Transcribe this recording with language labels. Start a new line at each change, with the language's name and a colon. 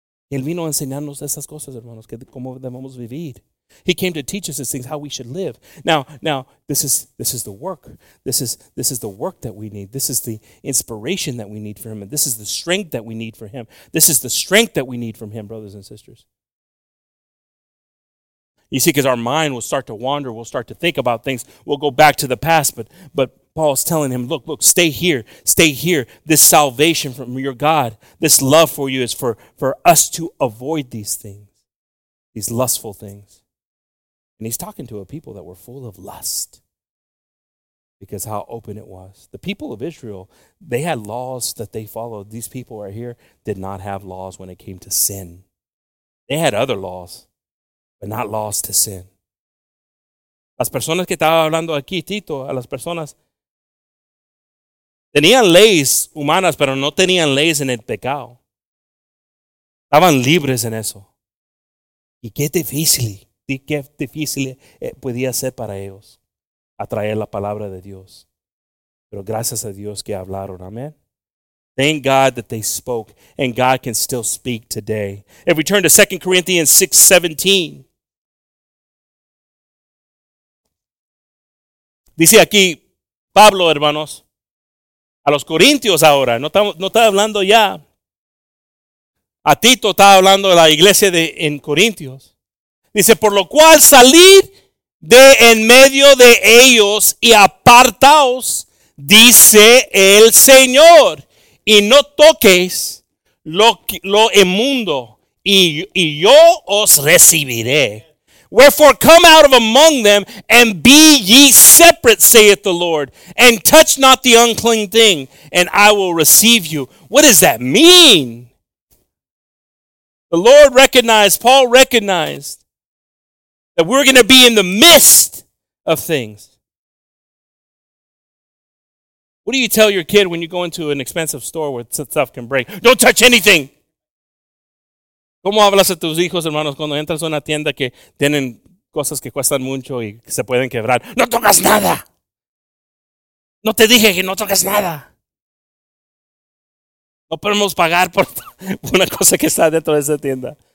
Spanish: Él vino a enseñarnos esas cosas, hermanos, que cómo debemos vivir.
English: He came to teach us these things, how we should live. Now, this is the work. This is the work that we need. This is the inspiration that we need for him. And this is the strength that we need for him. This is the strength that we need from him, brothers and sisters. You see, because our mind will start to wander. We'll start to think about things. We'll go back to the past, but Paul's telling him, look, stay here, stay here. This salvation from your God, this love for you is for us to avoid these things, these lustful things. And he's talking to a people that were full of lust because how open it was. The people of Israel, they had laws that they followed. These people right here did not have laws when it came to sin. They had other laws, but not laws to sin.
Spanish: Las personas que estaba hablando aquí, Tito, a las personas, tenían leyes humanas, pero no tenían leyes en el pecado. Estaban libres en eso. Y qué difícil podía ser para ellos atraer la palabra de Dios. Pero gracias a Dios que hablaron. Amen.
English: Thank God that they spoke, and God can still speak today. If we turn to 2 Corinthians 6:17.
Spanish: Dice aquí, Pablo, hermanos, a los corintios ahora, no está hablando ya. A Tito está hablando de la iglesia en Corintios. Dice, por lo cual salid de en medio de ellos y apartaos, dice el Señor. Y no toquéis lo inmundo y yo os recibiré.
English: Wherefore, come out of among them, and be ye separate, saith the Lord, and touch not the unclean thing, and I will receive you. What does that mean? The Lord recognized, Paul recognized, that we're going to be in the midst of things. What do you tell your kid when you go into an expensive store where stuff can break? Don't touch anything!
Spanish: ¿Cómo hablas a tus hijos, hermanos, cuando entras a una tienda que tienen cosas que cuestan mucho y que se pueden quebrar? ¡No tocas nada! ¡No te dije que no tocas nada! No podemos pagar por una cosa que está dentro de esa tienda.